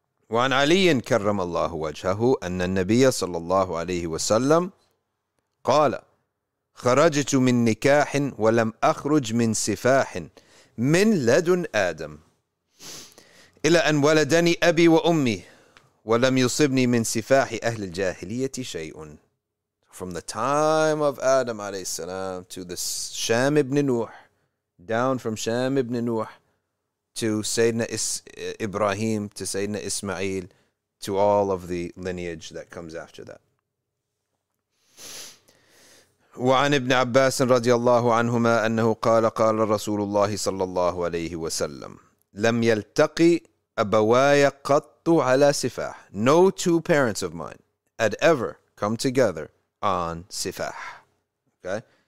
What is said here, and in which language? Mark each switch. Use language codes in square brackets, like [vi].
[ar] وَعَنْ عَلِيٍّ كَرَّمَ اللَّهُ وَجْهَهُ أَنَّ النَّبِيَّ صَلَّى اللَّهُ عَلَيْهِ وَسَلَّمْ قَالَ خَرَجْتُ مِنْ نِكَاحٍ وَلَمْ أَخْرُجْ مِنْ سِفَاحٍ من لدن آدم إلى أن ولدني أبي وأمي ولم يصبني من سفاح أهل الجاهلية شيء. [en] From the time of Adam [ar] عليه السلام [en] to the Sham ibn Nuh, down from Sham ibn Nuh to Sayyidina Ibrahim to Sayyidina Ismail to all of the lineage that comes after that. [ar] وعن ابن عباس رضي الله عنهما أنه قال قال رسول الله صلى الله عليه وسلم لم يلتقي أبواي قط على سفاح. [en] No two parents of mine had ever come together on سفاح. Okay.